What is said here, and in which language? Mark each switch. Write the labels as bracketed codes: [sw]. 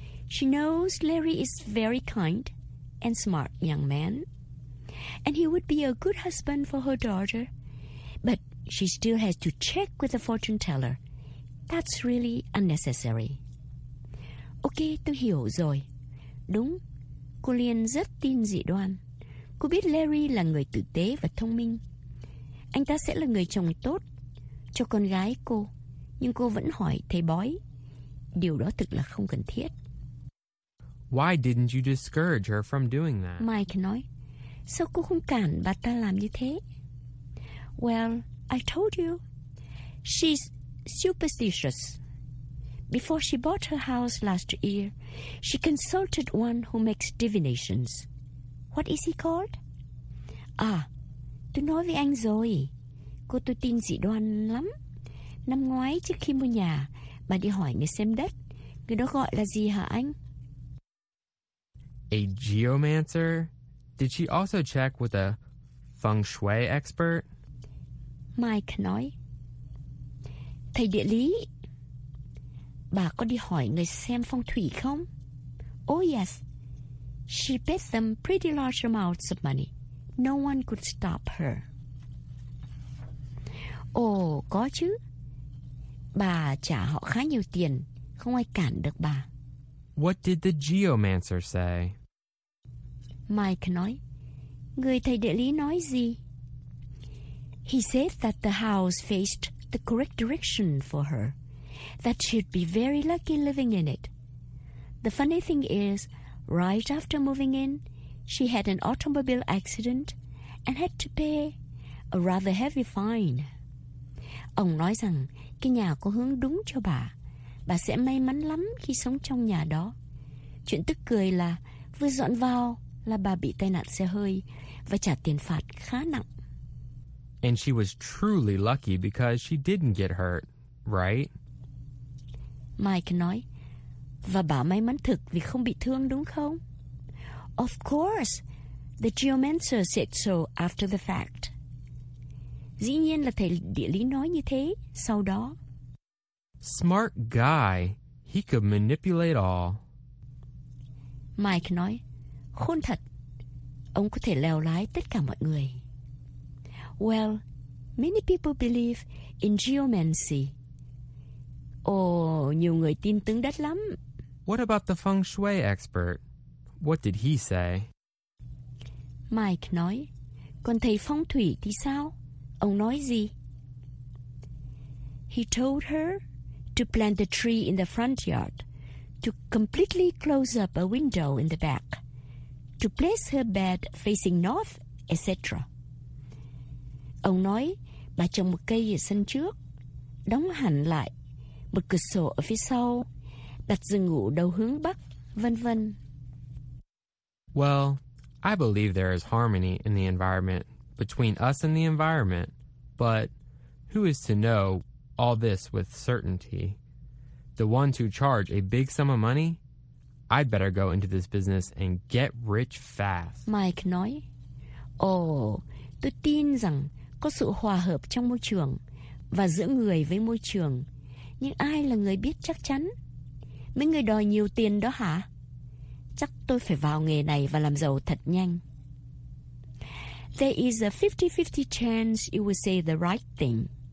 [en] She knows Larry is very kind and smart young man, and he would be a good husband for her daughter. But she still has to check with the fortune teller. That's really unnecessary. [vi] Ok, tôi hiểu rồi. Đúng, cô Liên rất tin dị đoan. Cô biết Larry là người tử tế và thông minh. Anh ta sẽ là người chồng tốt cho con gái cô. Nhưng cô vẫn hỏi thầy bói. Điều đó thực là không cần thiết. [en] Why didn't you discourage her from doing that? [vi] Mike nói, sao cô không cản bà ta làm như thế? [en] Well, I told you, she's superstitious. Before she bought her house last year, she consulted one who makes divinations. What is he called? [vi] Ah, tôi nói với anh rồi, cô tôi tin dị đoan lắm. Năm ngoái trước khi mua nhà, bà đi hỏi người xem đất. Người đó gọi là gì hả anh? [en] A geomancer? Did she also check with a feng shui expert? [vi] Mike nói, thầy địa lý, bà có đi hỏi người xem phong thủy không? [en] Oh yes, she paid them pretty large amounts of money. No one could stop her. [vi] Oh, có chứ. Bà trả họ khá nhiều tiền, không ai cản được bà. [en] What did the geomancer say? [vi] Mike nói, người thầy địa lý nói gì? [en] He said that the house faced the correct direction for her, that she'd be very lucky living in it. The funny thing is, right after moving in, she had an automobile accident and had to pay a rather heavy fine. [vi] Ông nói rằng cái nhà có hướng đúng cho bà. Bà sẽ may mắn lắm khi sống trong nhà đó. Chuyện tức cười là vừa dọn vào là bà bị tai nạn xe hơi và trả tiền phạt khá nặng. [en] And she was truly lucky because she didn't get hurt, right? [vi] Mike nói, và bà may mắn thực vì không bị thương đúng không? [en] Of course, the geomancer said so after the fact. [vi] Dĩ nhiên là thầy địa lý nói như thế sau đó. [en] Smart guy, he could manipulate all. [vi] Mike nói, khôn thật, ông có thể lèo lái tất cả mọi người. [en] Well, many people believe in geomancy. [vi] Oh, nhiều người tin tướng đất lắm. [en] What about the feng shui expert? What did he say? [vi] Mike nói, còn thầy phong thủy thì sao? Ông nói gì? [en] He told her to plant a tree in the front yard, to completely close up a window in the back, to place her bed facing north, etc. [vi] Ông nói, bà trồng một cây ở sân trước, đóng hẳn lại một cửa sổ ở phía sau, đặt giường ngủ đầu hướng bắc, vân vân. [en] Well, I believe there is harmony in the environment, between us and the environment, but who is to know all this with certainty? The ones who charge a big sum of money? I'd better go into this business and get rich fast. [vi] Mike nói, tôi tin rằng có sự hòa hợp trong môi trường và giữa người với môi trường. Nhưng ai là người biết chắc chắn? Mấy người đòi nhiều tiền đó hả? Chắc tôi phải vào nghề này và làm giàu thật nhanh. [en] There is a 50-50 chance you will say the right thing.